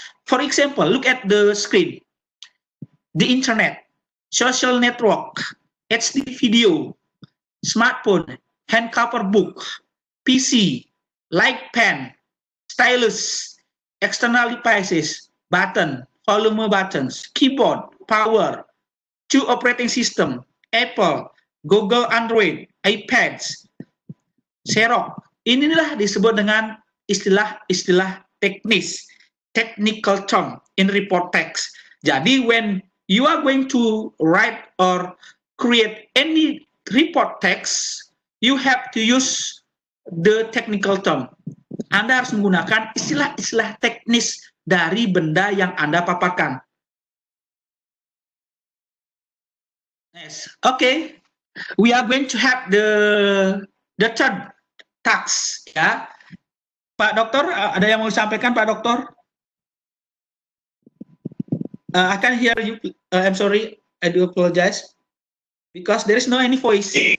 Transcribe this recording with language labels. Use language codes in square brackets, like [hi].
[en] For example, look at the screen. The internet, social network, HD video, smartphone, hand cover book, PC, light pen, stylus, external devices, button, volume buttons, keyboard, power, two operating system, Apple, Google Android, iPads, Xerox. [id] Inilah disebut dengan istilah-istilah teknis. [en] Technical term in report text. [id] Jadi [en] when you are going to write or create any report text, you have to use the technical term. [id] Anda harus menggunakan istilah-istilah teknis dari benda yang Anda paparkan. [en] Yes. Okay. We are going to have the third task. [id] Ya. Pak Doktor, ada yang mau sampaikan, Pak Doktor? [en] I can hear you. I'm sorry. I do apologize because there is no any voice.